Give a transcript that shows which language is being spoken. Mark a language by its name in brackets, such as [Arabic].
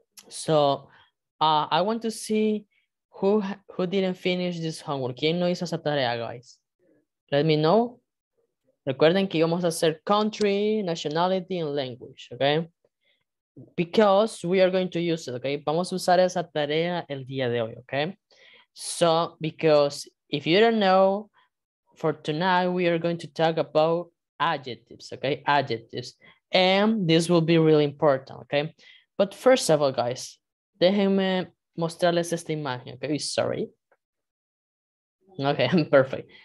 [English] So, I want to see... Who didn't finish this homework? [Spanish] ¿Quién no hizo esa tarea, guys? [English] Let me know. [Spanish] Recuerden que íbamos a hacer [English] country, nationality, and language, [Spanish] okay? [English] Because we are going to use it, okay? [Spanish] Vamos a usar esa tarea el día de hoy, okay? [English] So, because if you don't know, for tonight, we are going to talk about adjectives, okay? Adjectives. And this will be really important, okay? But first of all, guys, [Spanish] déjenme... mostrarles esta imagen, [English] okay, sorry. Okay, perfect.